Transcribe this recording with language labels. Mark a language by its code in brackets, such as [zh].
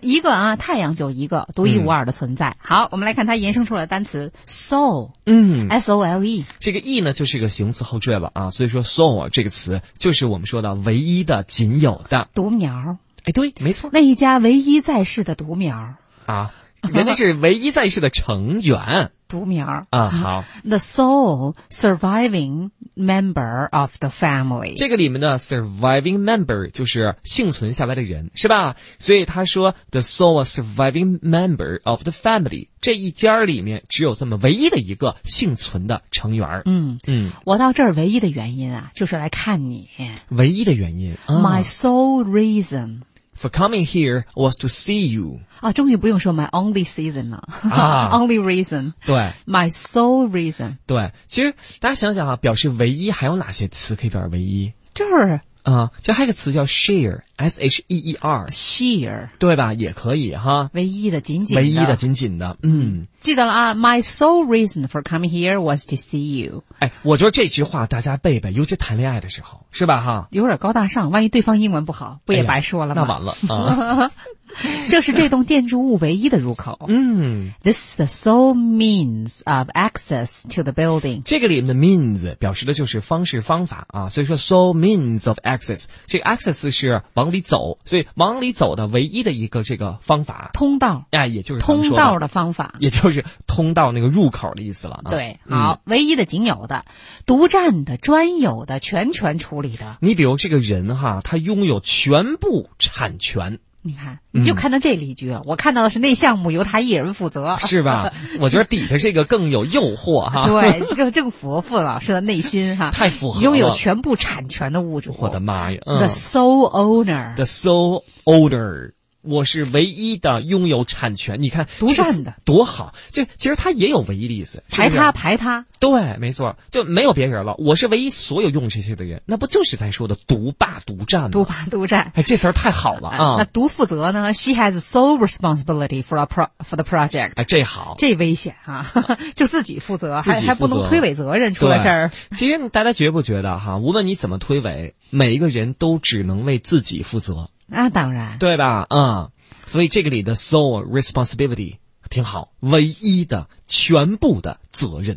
[zh] 一个啊，太阳就一个，独一无二的存在。好，我们来看它延伸出来的单词 ，sol。 [en] SOLE。 [zh] 这个 e 呢，就是一个形词后缀了啊，所以说 sol 这个词就是我们说的唯一的、仅有的独苗。哎，对，没错。那一家唯一在世的独苗。啊，人家是唯一在世的成员，独苗啊。好 [en] ，the sole surviving member of the family。 [zh] 这个里面的 surviving member 就是幸存下来的人，是吧？所以他说 [en] the sole surviving member of the family， [zh] 这一家里面只有这么唯一的一个幸存的成员。我到这儿唯一的原因啊，就是来看你。唯一的原因、 [en] ，my sole reason。 For coming here was to see you. [zh] 啊，终于不用说 [en] my only season [zh] 了。 [en] only reason. [zh] 对。 [en] My sole reason. [zh] 对。其实大家想想啊，表示唯一还有哪些词可以表示唯一？就是。就还有个词叫 share,S-H-E-E-R。 [en] share。 [zh] 对吧，也可以哈。唯一的，仅仅的。唯一的，仅仅的。记得了啊， [en] my sole reason for coming here was to see you. [zh] 哎，我觉得这句话大家背背，尤其谈恋爱的时候，是吧哈。有点高大上，万一对方英文不好，不也白说了吗？那完了。这是这栋建筑物唯一的入口。嗯 [en] ，This is the sole means of access to the building。 [zh] 这个里面的 means 表示的就是方式方法啊，所以说 [en] sole means of access， [zh] 这个 access 是往里走，所以往里走的唯一的一个这个方法通道，哎，也就是通道的方法，也就是通道那个入口的意思了、啊。对，好，唯一的、仅有的、独占的、专有的、全权处理的。你比如这个人哈，他拥有全部产权。你看，你就看到这例句了、我看到的是那项目由他一人负责，是吧？我觉得底下这个更有诱惑哈。对，这个正符合傅老师的内心哈，太符合了。拥有全部产权的物主，我的妈呀、 [en] ！The sole owner， the sole owner， [zh] 我是唯一的拥有产权。你看，独占的多好，这其实他也有唯一的意思，排他排他。对，没错，就没有别人了，我是唯一所有用这些的人，那不就是在说的独霸独占吗？独霸独占，哎，这词儿太好了啊、那独负责呢 [en] ？She has sole responsibility for the project。 [zh] 哎，这好，这危险啊，就自己负责，负责还不能推诿责任，出了事儿。其实大家觉不觉得哈、无论你怎么推诿，每一个人都只能为自己负责。那、当然，对吧？所以这个里的 sole responsibility。挺好，唯一的全部的责任